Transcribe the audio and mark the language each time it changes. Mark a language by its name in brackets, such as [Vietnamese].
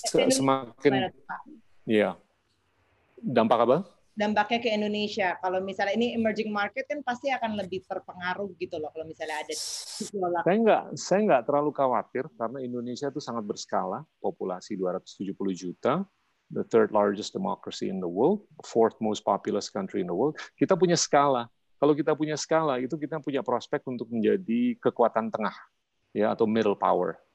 [Indonesian] semakin iya. Dampak apa? Dampaknya ke Indonesia. Kalau misalnya ini emerging market kan pasti akan lebih terpengaruh gitu loh, kalau misalnya ada gejolak. Saya enggak terlalu khawatir, karena Indonesia itu sangat berskala, populasi 270 juta. [English] The third largest democracy in the world, fourth most populous country in the world. [Indonesian] Kita punya skala. Kalau kita punya skala, itu kita punya prospek untuk menjadi kekuatan tengah, ya, atau middle power.